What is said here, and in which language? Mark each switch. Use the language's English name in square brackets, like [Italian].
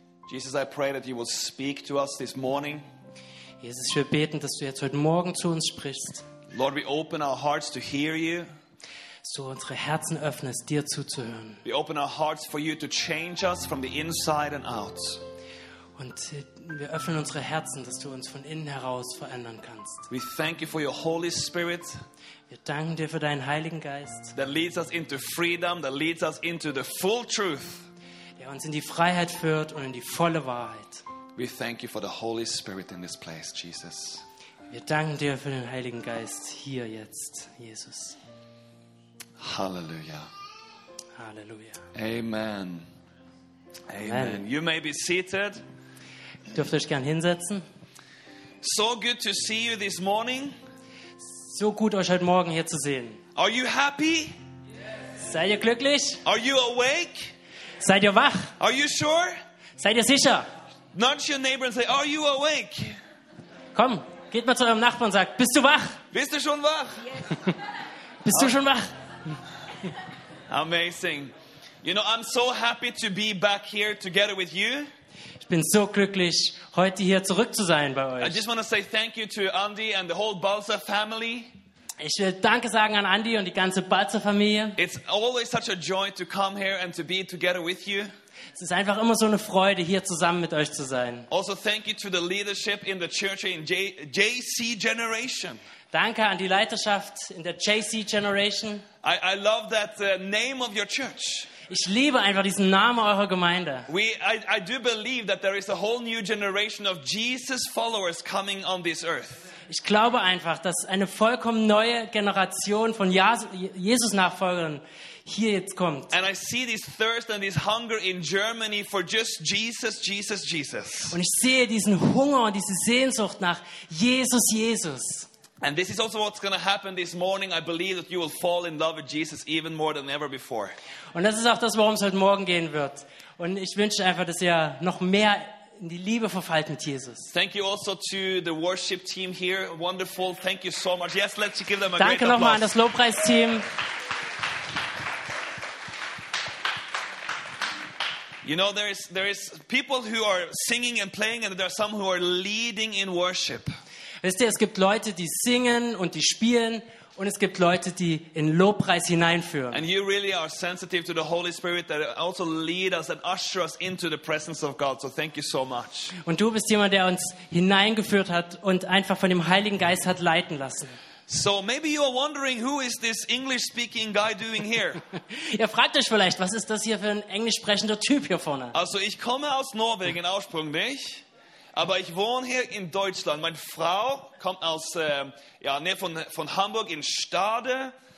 [English] Jesus, I pray that you will speak to us this morning. [German] Jesus, wir beten, dass du jetzt heute Morgen zu uns sprichst. [English] Lord, we open our hearts to hear you. [German] So unsere Herzen öffnest, dir zuzuhören. [English] We open our hearts for you to change us from the inside and out. [German] Und wir öffnen unsere Herzen, dass du uns von innen heraus verändern kannst. [English] We thank you for your Holy Spirit. [German] Wir danken dir für deinen Heiligen Geist. [English] That leads us into freedom, that leads us into the full truth. [German] Der uns in die Freiheit führt und in die volle Wahrheit. [English] We thank you for the Holy Spirit in this place, Jesus. [German] Wir danken dir für den Heiligen Geist hier jetzt, Jesus. Halleluja. Halleluja. [English] Amen. Amen. You may be seated. [German] Dürft euch gern hinsetzen. [English] So good to see you this morning. [German] So gut euch heute Morgen hier zu sehen. [English] Are you happy? [German] Yes. Seid ihr glücklich? [English] Are you awake? [German] Seid ihr wach? [English] Are you sure? [German] Seid ihr sicher? [English] Nudge your neighbor and say, are you awake? [German] Komm, geht mal zu eurem Nachbarn und sagt, bist du wach? Bist du schon wach? Yes. Bist du schon wach? [English] Amazing. You know, I'm so happy to be back here together with you. [German] Ich bin so glücklich, heute hier zurück zu sein bei euch. [English] I just want to say thank you to Andy and the whole Balsa family. [German] Ich will Danke sagen an Andy und die ganze Balzer-Familie. [English] It's always such a joy to come here and to be together with you. [German] Es ist einfach immer so eine Freude, hier zusammen mit euch zu sein. [English] Also thank you to the leadership in the church in JC Generation. [German] Danke an die Leiterschaft in der JC Generation. [English] I love that name of your church. [German] Ich liebe einfach diesen Namen eurer Gemeinde. [English] I do believe that there is a whole new generation of Jesus followers coming on this earth. [German] Ich glaube einfach, dass eine vollkommen neue Generation von Jesus-Nachfolgern hier jetzt kommt. [English] And I see this thirst and this hunger in Germany for just Jesus, Jesus, Jesus. [German] Und ich sehe diesen Hunger und diese Sehnsucht nach Jesus, Jesus. [English] And this is also what's going to happen this morning. I believe that you will fall in love with Jesus even more than ever before. [German] Und das ist auch das, worum es heute Morgen gehen wird. Und ich wünsche einfach, dass ihr noch mehr in die Liebe verfallt mit Jesus. [English] Thank you also to the worship team here. Wonderful. Thank you so much. Yes, let's give them a [German] Danke nochmal an das Lobpreisteam. [English] You know, there is people who are singing and playing, and there are some who are leading in worship. [German] Wisst ihr, es gibt Leute, die singen und die spielen, und es gibt Leute, die in Lobpreis hineinführen. [English] And you really are sensitive to the Holy Spirit that also lead us and usher us into the presence of God. So thank you so much. [German] Und du bist jemand, der uns hineingeführt hat und einfach von dem Heiligen Geist hat leiten lassen. [English] So maybe you are wondering, who is this English-speaking guy doing here? [German] Ihr fragt euch vielleicht, was ist das hier für ein englisch sprechender Typ hier vorne? Also ich komme aus Norwegen ursprünglich. Aber ich wohne hier in Deutschland. Meine Frau kommt aus von Hamburg in Stade.